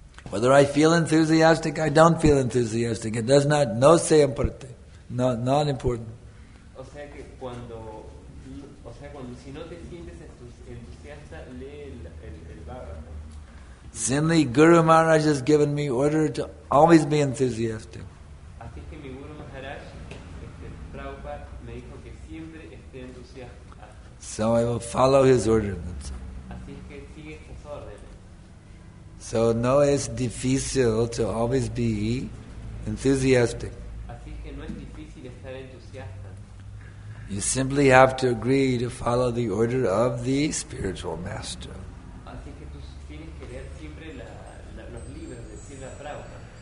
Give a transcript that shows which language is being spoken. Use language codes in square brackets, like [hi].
[en] Whether I feel enthusiastic, I don't feel enthusiastic. It does not, [es] no se importe. [en] No, not important. [es] O sea que cuando si no te sientes entusiasta, lee el Bhagavad. [en] Simply, Guru Maharaj has given me order to always be enthusiastic. [es] Así que mi Guru Maharaj, Prabhupada, me dijo que siempre esté entusiasta. [en] So I will follow his ordinance. [es] Así que sigue estas órdenes. [en] So [es] no es difícil [en] to always be enthusiastic. [es] Así que no es difícil estar entusiasta. [en] You simply have to agree to follow the order of the spiritual master. [es] Así que tú tienes que leer siempre los libros de Sila Prabhupada.